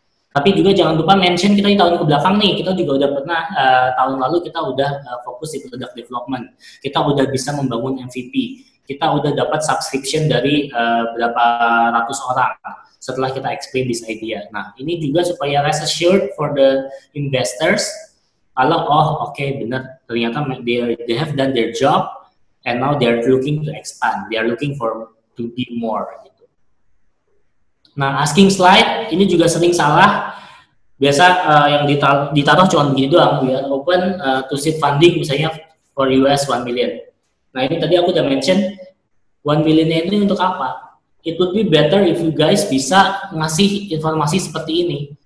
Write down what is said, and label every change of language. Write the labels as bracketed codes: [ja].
[id] Tapi juga jangan lupa mention kita di tahun kebelakang nih, kita juga udah pernah, tahun lalu kita udah fokus di product development, kita udah bisa membangun MVP, kita udah dapat subscription dari berapa ratus orang setelah kita [en] explain this idea. [id] Nah, ini juga supaya [en] rest assured for the investors, [id] kalau oh okay, benar, ternyata [en] they have done their job, and now they are looking to expand, they are looking for to be more gitu. [id] Nah, asking slide ini juga sering salah. Biasa yang ditaruh cuma gini doang, [en] we are open to seed funding [id] misalnya [en] for US 1 million. [id] Nah, ini tadi aku udah mention 1 million ini untuk apa? [en] It would be better if you guys [id] bisa ngasih informasi seperti ini.